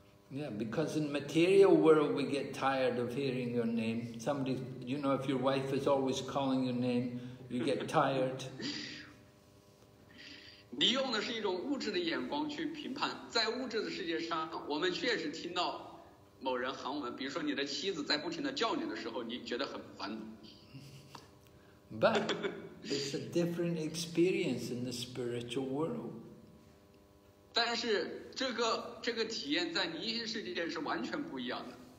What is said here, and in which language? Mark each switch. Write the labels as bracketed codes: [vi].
[en] Yeah, because in material world we get tired of hearing your name. Somebody, you know, if your wife is always calling your name, you get tired. [zh] 你用的是一种物质的眼光去评判，在物质的世界上，我们确实听到某人喊我们，比如说你的妻子在不停的叫你的时候，你觉得很烦。 [en] But it's a different experience in the spiritual world. [zh] 但是这个体验在灵性世界是完全不一样的。